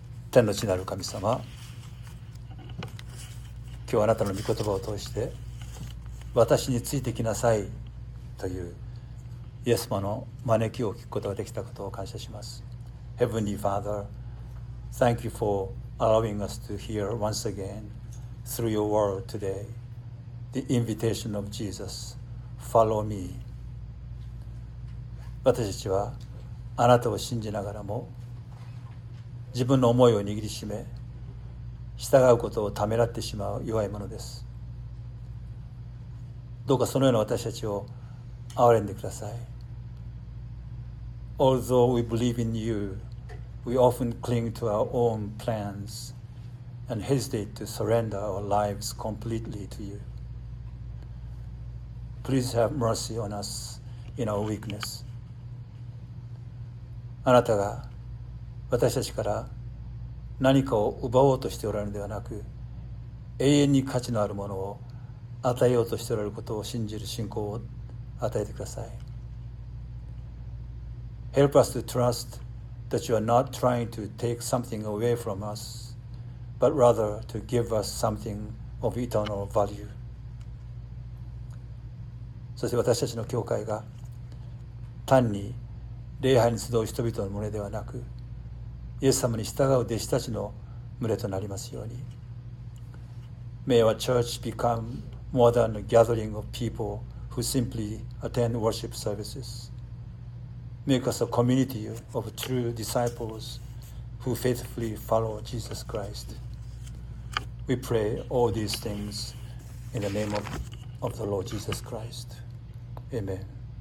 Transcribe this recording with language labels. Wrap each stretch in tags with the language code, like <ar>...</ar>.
<ja>天の地なる神様、今日あなたの御言葉を通して、私についてきなさいというイエス様の招きを聞くことができたことを感謝します。</ja> <en>Heavenly Father, thank you for allowing us to hear once again through your word today the invitation of Jesus, follow me。</en> <ja>私たちはあなたを信じながらも自分の思いを握りしめ、従うことをためらってしまう弱いものです。どうかそのような私たちを憐れんでください。</ja> <en>Although we believe in you, we often cling to our own plans and hesitate to surrender our lives completely to you. Please have mercy on us in our weakness.</en> <ja>あなたが私たちから何かを奪おうとしておられるのではなく、永遠に価値のあるものを与えようとしておられることを信じる信仰を与えてください。</ja> <en>Help us to trust that you are not trying to take something away from us, but rather to give us something of eternal value.</en> <ja>そして私たちの教会が単に礼拝に集う人々の群れではなく、イエス様に従う弟子たちの群れとなりますように。</ja> <en>May our church become more than a gathering of people who simply attend worship services. Make us a community of true disciples who faithfully follow Jesus Christ. We pray all these things in the name of the Lord Jesus Christ. Amen.</en>